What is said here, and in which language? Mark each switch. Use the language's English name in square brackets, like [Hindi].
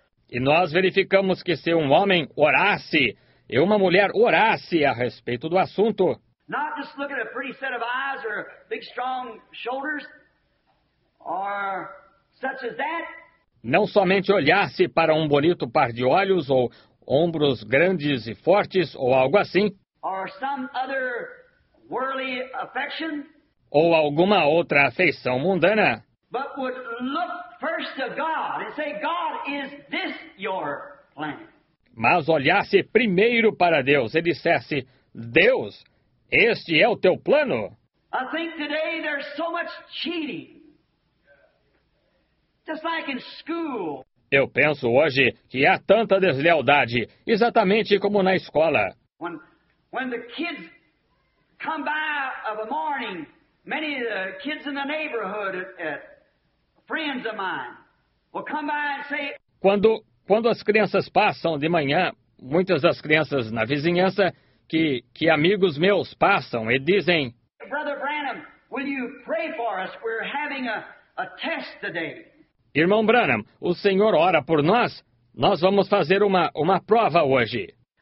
[Portuguese] E nós verificamos que se um homem orasse e uma mulher orasse a respeito do assunto, [English] not just look at a pretty set of eyes or big strong shoulders or such as that, [Portuguese] não somente olhasse para um bonito par de olhos ou ombros grandes e fortes, ou algo assim. [English] Or some other worldly affection, [Portuguese] ou alguma outra afeição mundana. [English] But would look first to God and say, God, is this your plan? [Portuguese] Mas olhasse primeiro para Deus e dissesse, Deus, este é o teu plano? [English] I think today there's so much cheating. Just like in school. [Portuguese] Eu penso hoje que há tanta deslealdade, exatamente como na escola. [English] When the kids come by of a morning, many of the kids in the neighborhood, friends of mine, will come by and say, [Portuguese] quando as crianças passam de manhã, muitas das crianças na vizinhança, que amigos meus passam e dizem, [English] Brother Branham, will you pray for us? We're having a test today. [Portuguese] Irmão Branham, o Senhor ora por nós? Nós vamos fazer uma prova hoje.